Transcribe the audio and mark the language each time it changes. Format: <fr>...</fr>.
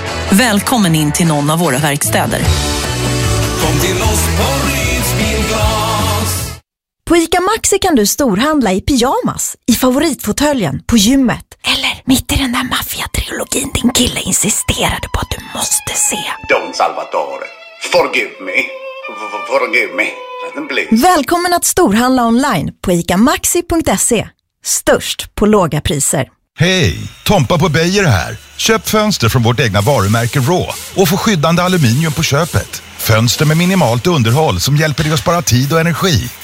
<sv>Välkommen in till någon av våra verkstäder. Kom till oss på Rydsbilglas! På ICA Maxi kan du storhandla i pyjamas, i favoritfotöljen, på gymmet eller mitt i den där maffiatrilogin din kille insisterade på att du måste se.</sv> <en>Don Salvatore, forgive me, forgive me, please.</en> <sv>Välkommen att storhandla online på ikamaxi.se. Störst på låga priser. Hej, Tompa på Beijer här. Köp fönster från vårt egna varumärke Raw och få skyddande aluminium på köpet. Fönster med minimalt underhåll som hjälper dig att spara tid och energi.</sv>